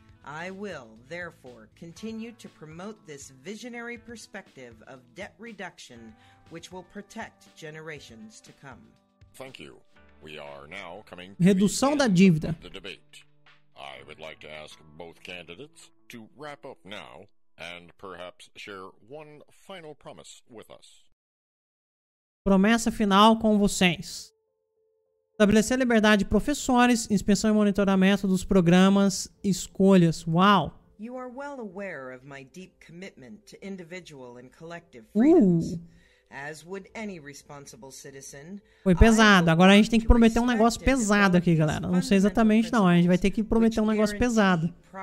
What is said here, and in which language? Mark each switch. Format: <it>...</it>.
<en>I will, therefore, continue to promote this visionary perspective of debt reduction, which will protect generations to come. Thank you. We are now coming</en> <pt>to redução da dívida.</pt> <en>The debate. I would like to ask both candidates to wrap up now and perhaps share one final promise with us.</en> <pt>Promessa final com vocês. Estabelecer liberdade de professores, inspeção e monitoramento dos programas, escolhas. Uau!</pt> <en>You are well aware of my deep commitment to individual and collective freedoms. As would any responsible citizen.</en> <pt>Foi pesado. Agora a gente tem que prometer um negócio pesado aqui, galera. Não sei exatamente não. A gente vai ter que prometer um negócio pesado.</pt>